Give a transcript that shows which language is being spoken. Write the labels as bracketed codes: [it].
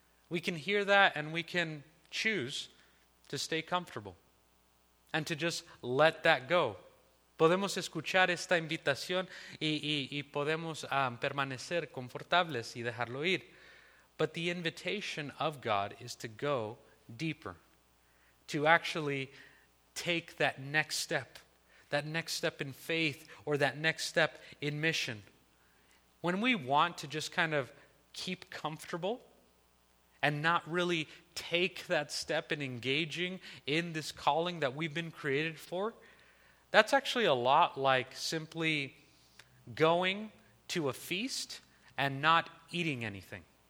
[en] We can hear that and we can choose to stay comfortable. And to just let that go. [es] Podemos escuchar esta invitación y podemos permanecer confortables y dejarlo ir. [en] But the invitation of God is to go deeper. To actually take that next step. That next step in faith or that next step in mission. When we want to just kind of keep comfortable and not really take that step in engaging in this calling that we've been created for, that's actually a lot like simply going to a feast and not eating anything.